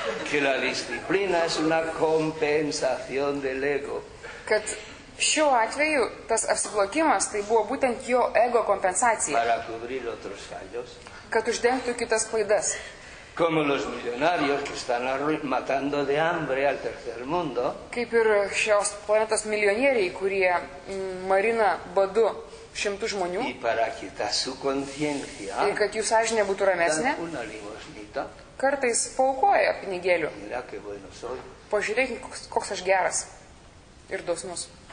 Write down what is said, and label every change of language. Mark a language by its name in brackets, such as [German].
[Spanish] Que la disciplina es una compensación del ego. [Lithuanian] Kad šiuo atveju tas apsiblokimas tai buvo būtent jo ego kompensacija. [Spanish] Para cubrir otros fallos. [Lithuanian] Kad uždengtų kitas klaidas. [Spanish] Como los millonarios que están matando de hambre al tercer mundo. [Lithuanian] Kaip ir šios planetos milijonieriai, kurie marina badu šimtų žmonių. [Spanish] Y para quitar su conciencia. [Lithuanian] Ir kad jų sąžinė būtų ramesnė. Kartais paukoja pinigėlių. Pažiūrėk, koks aš geras ir dosnus.